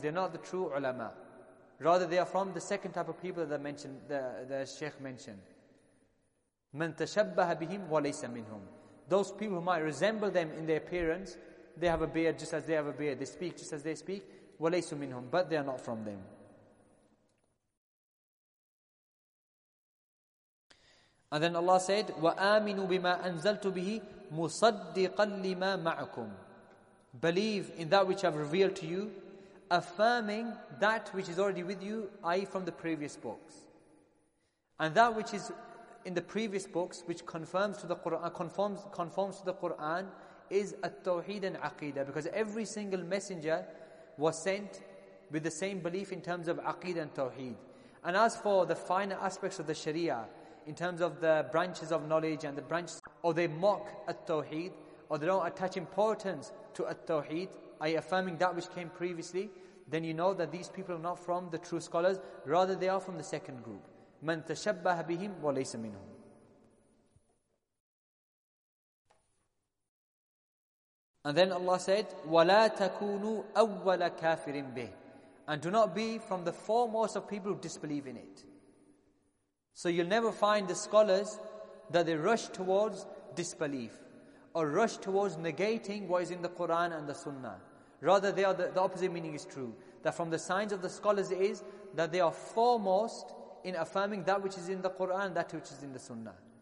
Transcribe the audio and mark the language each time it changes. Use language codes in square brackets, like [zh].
[en] They're not the true ulama. Rather, they are from the second type of people that the Sheikh mentioned. [ar] مَن تَشَبَّهَ بِهِمْ وَلَيْسَ مِنْهُمْ. [en] Those people who might resemble them in their appearance, they have a beard just as they have a beard, they speak just as they speak, [ar] وَلَيْسُ مِنْهُمْ, [en] but they are not from them. And then Allah said, [ar] وَآمِنُوا بِمَا أَنزَلْتُ بِهِ مُصَدِّقًا لِمَا مَعْكُمْ. [en] Believe in that which I have revealed to you, affirming that which is already with you, i.e. from the previous books. And that which is in the previous books, which conforms to the Quran, is at-tawheed and aqeedah, because every single messenger was sent with the same belief in terms of aqeedah and tawheed. And as for the finer aspects of the sharia, in terms of the branches of knowledge and the branches, or they mock at-tawheed, or they don't attach importance to at-tawheed, i.e. affirming that which came previously, then you know that these people are not from the true scholars, rather they are from the second group. [ar] مَن تَشَبَّهَ بِهِمْ وَلَيْسَ مِنْهُمْ. [en] And then Allah said, [ar] وَلَا تَكُونُوا أَوَّلَ كَافِرٍ بِهِ. [en] And do not be from the foremost of people who disbelieve in it. So you'll never find the scholars that they rush towards disbelief or rush towards negating what is in the Quran and the Sunnah. Rather, they are the opposite meaning is true. That from the signs of the scholars is that they are foremost in affirming that which is in the Quran, that which is in the Sunnah.